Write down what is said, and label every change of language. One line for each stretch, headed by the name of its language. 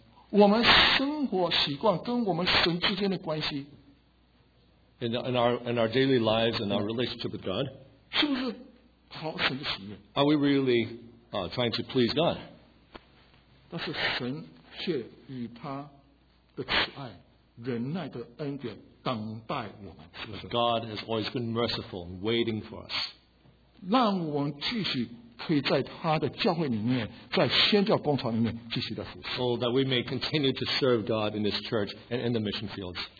Chinese: 我们生活习惯跟我们神之间的关系
English: in our daily lives and our relationship with God
Chinese: 是不是讨神的喜悦?
English: Are we really trying to please God?
Chinese: 但是神却以他的慈爱忍耐的恩典等待我们
English: God has always been merciful and waiting for us.
Chinese: 让我们继续 在先教工厂里面,
English: so that we may continue to serve God in His church and in the mission fields.